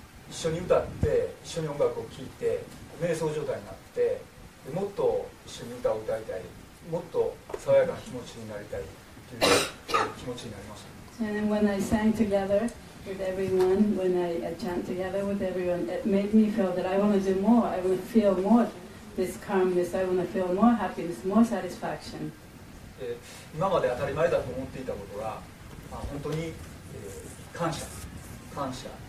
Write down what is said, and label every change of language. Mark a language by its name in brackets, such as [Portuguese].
[Japanese] 一緒に歌って、一緒に音楽を聴いて、瞑想状態になって、でもっと一緒に歌を歌いたい、もっと爽やかな気持ちになりたいという気持ちになりました。 [English] And when I sang together with everyone, when I chant together with everyone, it made me feel that I want to do more, I want to feel more this calmness, I want to feel more happiness, more satisfaction. [Japanese] 今まで当たり前だと思っていたことが、まあ、本当に、感謝、感謝。